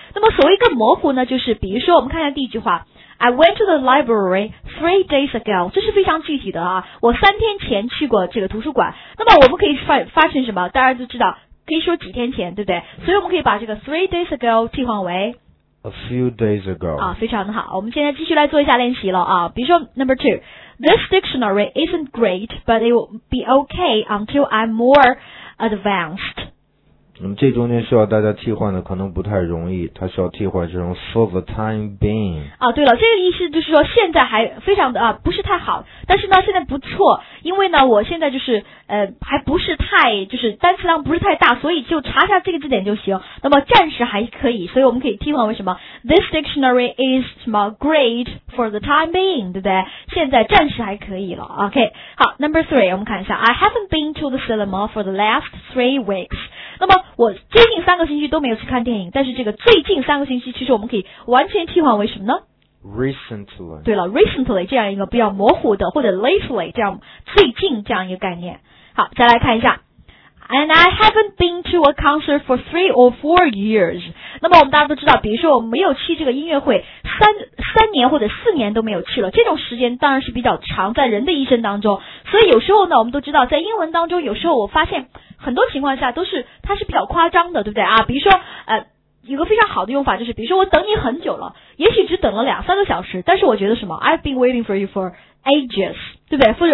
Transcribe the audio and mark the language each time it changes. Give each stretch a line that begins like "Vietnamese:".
Chinese: 那么所谓更模糊呢，就是比如说我们看一下第一句话， I went to the library 3 days ago，这是非常具体的啊，我三天前去过这个图书馆。那么我们可以发成什么，大家都知道可以说几天前，对不对？所以我们可以把这个 3 days ago 替换为
English: a few days ago。
Chinese: 啊，非常的好，我们现在继续来做一下练习了啊。
English: 比如说 number 2， this dictionary isn't great but it will be okay until I'm more advanced。
Chinese: 那么这中间需要大家替换的可能不太容易，它需要替换这种 for the time being。啊，对了，这个意思就是说现在还非常的不是太好，但是呢现在不错，因为呢我现在就是还不是太就是单词量不是太大，所以就查下这个字典就行，那么暂时还可以，所以我们可以替换为什么 this dictionary is 什么 great for the time being，对不对？现在暂时还可以了。OK， 好， number 3， 我们看一下， I haven't been to the cinema for the last 3 weeks。那么我最近三个星期都没有去看电影，但是这个最近三个星期其实我们可以完全替换为什么呢？
English: recently。
Chinese: 对了， recently 这样一个比较模糊的，或者 lately 这样最近这样一个概念。好，再来看一下，
English: And I haven't been to a concert for 3 or 4 years.
Chinese: 那么我们大家都知道，比如说我没有去这个音乐会三年或者四年都没有去了，这种时间当然是比较长在人的一生当中。所以有时候呢，我们都知道在英文当中，有时候我发现很多情况下都是它是比较夸张的，对不对啊？比如说有个非常好的用法，就是比如说我等你很久了，也许只等了两三个小时，但是我觉得什么 I've been waiting for you for ages，对不对？